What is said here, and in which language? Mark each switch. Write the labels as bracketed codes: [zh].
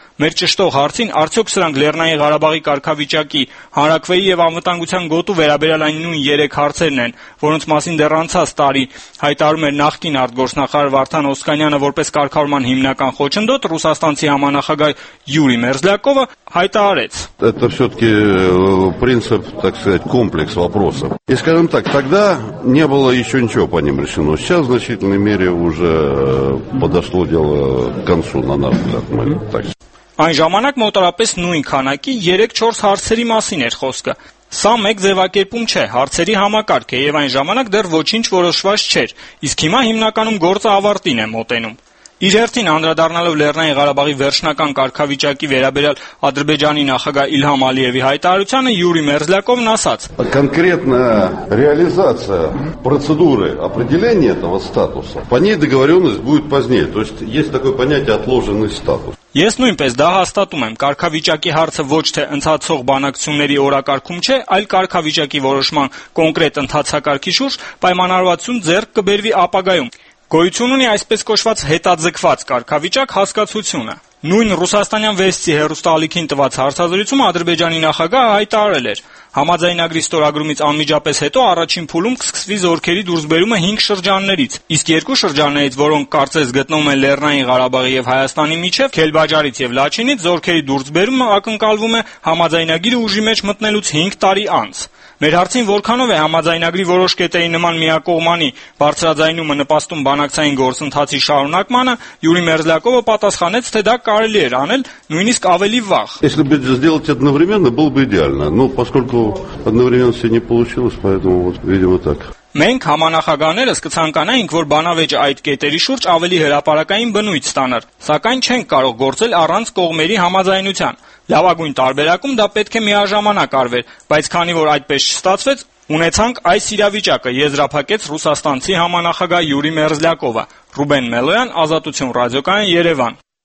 [hy] Մեր ճշտող հարցին, արդյոք սրանք Լեռնային Ղարաբաղի կարգավիճակի, հանրակրթվեի և անվտանգության գոտու վերաբերյալ այն նույն երեք հարցերն են, որոնց մասին դեռ անցած տարի հայտարարում էր նախկին արտգործնախարար Վարդան Օսկանյանը որպես կարգավորման հիմնական խոչընդոտ, ռուսաստանցի համանախագահ Յուրի Մերզլյակովը հայտարարեց. [ru] Это всё-таки принцип, так сказать, комплекс вопросов. И скажем так, тогда не было ещё ничего по ним решено. Сейчас в значительной мере уже подошло дело к концу на наш взгляд, так. [hy] Այն ժամանակ մոտարապես նույն քանակի 3-4 հարցերի մասին էր խոսքը։ Սա մեկ ձևակերպում չէ, հարցերի համակարգ է, և այն ժամանակ դեռ ոչինչ որոշված չէր, իսկ հիմա հիմնականում գործը ավարտին է մոտենում։ Իր հերթին, անդրադառնալով Լեռնային Ղարաբաղի վերջնական կարգավիճակի վերաբերյալ Ադրբեջանի նախագահ Իլհամ Ալիևի հայտարարությանը, Յուրի Մերզլյակովն ասաց. [ru] Կոնկրետնա ռեալիզացիա процедуры определения этого статуса. По ней договорённость будет позднее, то есть есть такое понятие отложенный статус. [hy] Ես նույնպես դա հաստատում եմ, կարգավիճակի հարցը ոչ թե ընթացող բանակցությունների օրակարգում չէ, այլ կարգավիճակի որոշման կոնկրետ ընթացակարգի շուրջ պայմանավորվածություն ձեռք կբերվի ապագայում։ Գոյություն ունի այսպես կոչված հետաձգված կարգավիճակ հասկացությունը։ Նույն ռուսաստանյան Վեստի հեռուստալիքին տված հարցազրույցում Ադրբեջանի նախագահը հայտարարել էր. Համաձայնագրի ստորագրումից անմիջապես հետո առաջին փուլում կսկսվի զորքերի դուրսբերումը 5 շրջաններից, իսկ 2 շրջաններից, որոնք կարծես գտնվում են Լեռնային Ղարաբաղի և Հայաստանի միջև, Քելբաջարից և Լաչինից, զորքերի դուրսբերումը ակնկալվում է համաձայնագիրը ուժի մեջ մտնելուց 5 տարի անց։ Մեր հարցին, որքանով է համաձայնագրի որոշ կետերի նման միակողմանի բարձրաձայնումը նպաստում բանակցային գործընթացի շարունակմանը, Յուրի Մերզլյակովը պատասխանեց, թե դա կարելի էր անել նույնիսկ ավելի վաղ։ [ru] Если бы сделать одновременно, было бы идеально, но поскольку одновременно всё не получилось, поэтому вот, видимо, так. [hy] Մենք համանախագահները կցանկանայինք, որ բանավեճը այդ կետերի շուրջ ավելի հրապարակային բնույթ ստանար, սակայն չենք կարող գործել առանց կողմերի համաձայնության։ Լավագույն տարբերակում դա պետք է միաժամանակ արվեր, բայց քանի որ այդպես չստացվեց, ունեցանք այս իրավիճակը, եզրափակեց ռուսաստանցի համանախագահ Յուրի Մերզլյակովը։ Ռուբեն Մելոյան, Ազատություն ռադիոկայան, Երևան։